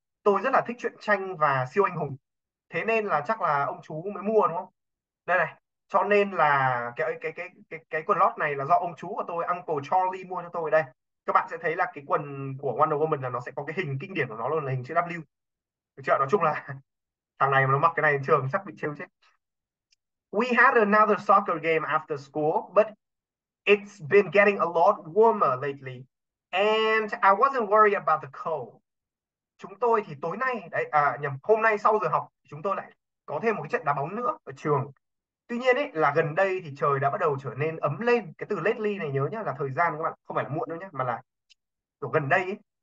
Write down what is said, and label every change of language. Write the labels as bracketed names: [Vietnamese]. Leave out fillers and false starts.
[Vietnamese] Tôi rất là thích truyện tranh và siêu anh hùng. Thế nên là chắc là ông chú mới mua đúng không? Đây này. Cho nên là cái quần lót này là do ông chú của tôi, Uncle Charlie mua cho tôi đây. Các bạn sẽ thấy là cái quần của Wonder Woman là nó sẽ có cái hình kinh điển của nó luôn là hình chữ W. Được chưa? Nói chung là thằng này mà nó mặc cái này trường chắc bị trêu chết. [English] We had another soccer game after school, but it's been getting a lot warmer lately. And I wasn't worried about the cold. [Vietnamese] Chúng tôi thì tối nay, đấy, à, nhầm, hôm nay sau giờ học, chúng tôi lại có thêm một cái trận đá bóng nữa ở trường. Tuy nhiên ấy, là gần đây thì trời đã bắt đầu trở nên ấm lên. Cái từ lately này nhớ nhá là thời gian các bạn, không phải là muộn đâu nhá, mà là kiểu gần đây ấy.